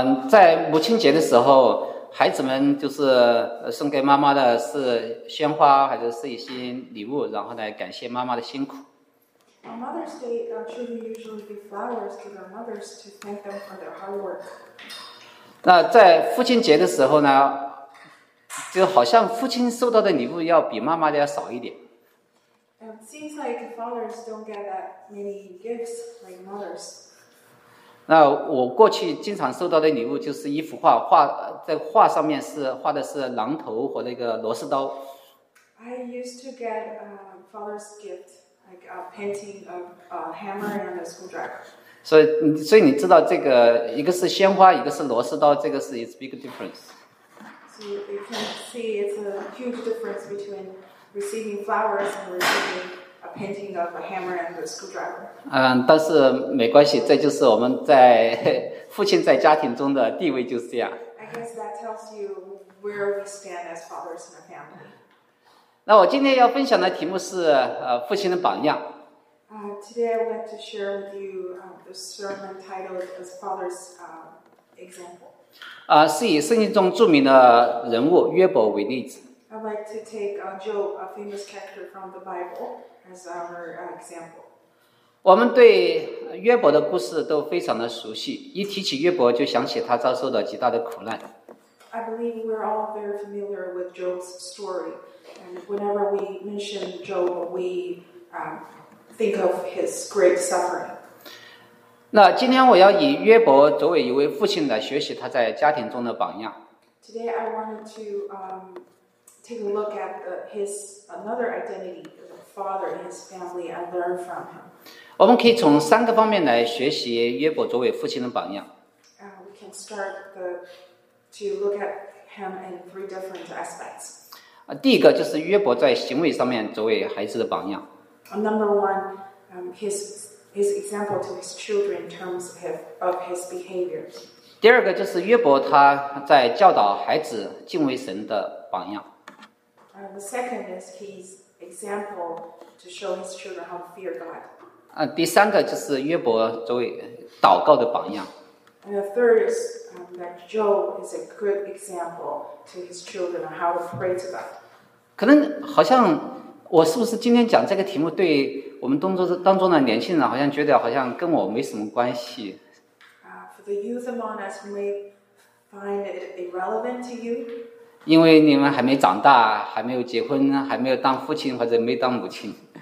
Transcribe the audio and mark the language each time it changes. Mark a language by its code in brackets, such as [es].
[zh] 在母亲节的时候，孩子们就是送给妈妈的是鲜花，还是一些礼物，然后来感谢妈妈的辛苦。 [en] Mother's Day, children usually give flowers to their mothers to thank them for their hard work. [zh] 那在父亲节的时候呢，就好像父亲收到的礼物要比妈妈的要少一点。 [en] It seems like fathers don't get that many gifts like mothers. [zh] 那我过去经常收到的礼物就是一幅画，在画上面是画的是榔头和那个螺丝刀。 [en] I used to get a father's gift, like a painting of a hammer and a screwdriver. [zh] 所以你知道这个一个是鲜花，一个是螺丝刀，这个是 [en] it's big difference. So you can see it's a huge difference between. Receiving flowers and receiving a painting of a hammer and a screwdriver. [zh] 但是没关系，这就是我们在父亲在家庭中的地位就是这样。 [en] I guess that tells you where we stand as fathers in the family. [zh] 那我今天要分享的题目是父亲的榜样。 [en] Today I want to share with you the sermon titled as Father's Example. [zh] 是以圣经中著名的人物约伯为例子。 [en] I'd like to take Job, a famous character from the Bible, as our example. [zh] 我们对约伯的故事都非常的熟悉，一提起约伯就想起他遭受的极大的苦难。 [en] I believe we're all very familiar with Job's story, and whenever we mention Job, we think of his great suffering. [zh] 那今天我要以约伯作为一位父亲来学习他在家庭中的榜样。 [en] Today I wanted to take a look at another identity, the father in his family, and learn from him. [zh] 我们可以从三个方面来学习约伯作为父亲的榜样。 [en] We can start to look at him in three different aspects. [zh] 第一个就是约伯在行为上面作为孩子的榜样。 [en] Number one, his example to his children in terms of his behavior. [zh] 第二个就是约伯他在教导孩子敬畏神的榜样。 [en] The second is his example to show his children how to fear God. [zh] 第三个就是约伯作为祷告的榜样。 [en] And the third is that Job is a good example to his children on how to pray to God. [zh] 可能好像我是不是今天讲这个题目对我们当中的年轻人好像觉得好像跟我没什么关系。 [en] For the youth among us, you may find it irrelevant to you. [zh] 因为你们还没长大，还没有结婚，还没有当父亲或者没当母亲。